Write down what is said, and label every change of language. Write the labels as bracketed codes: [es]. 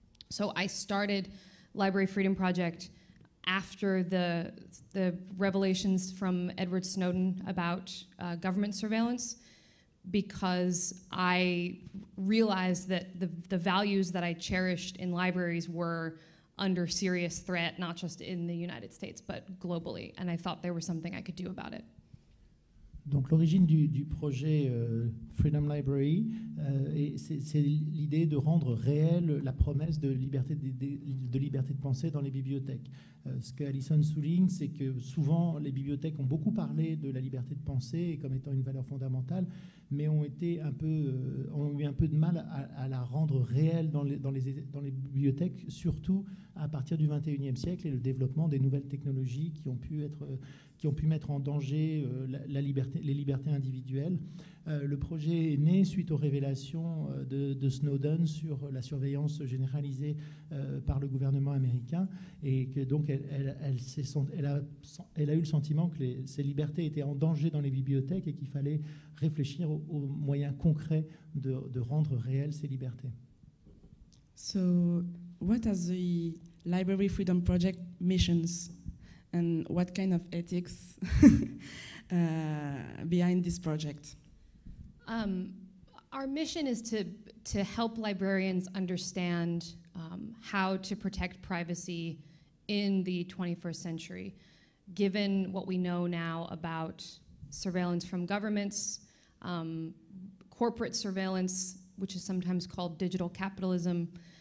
[en] So I started Library Freedom Project after the revelations from Edward Snowden about government surveillance, because I realized that the values that I cherished in libraries were under serious threat, not just in the United States, but globally. And I thought there was something I could do about it. [fr] Donc l'origine du projet Freedom Library, c'est l'idée de rendre réelle la promesse de liberté de pensée dans les bibliothèques. Ce que Alison souligne, c'est que souvent les bibliothèques ont beaucoup parlé de la liberté de pensée comme étant une valeur fondamentale, mais ont eu un peu de mal à la rendre réelle dans les bibliothèques, surtout à partir du XXIe siècle et le développement des nouvelles technologies qui ont pu mettre en danger les libertés individuelles. Le projet est né suite aux révélations de Snowden sur la surveillance généralisée par le gouvernement américain, et que donc elle a eu le sentiment que ces libertés étaient en danger dans les bibliothèques et qu'il fallait réfléchir aux moyens concrets de rendre réelles ces libertés. [en] So, what are the Library Freedom Project missions? And what kind of ethics behind this project? Our mission is to help librarians understand how to protect privacy in the 21st century, given what we know now about surveillance from governments, corporate surveillance, which is sometimes called digital capitalism.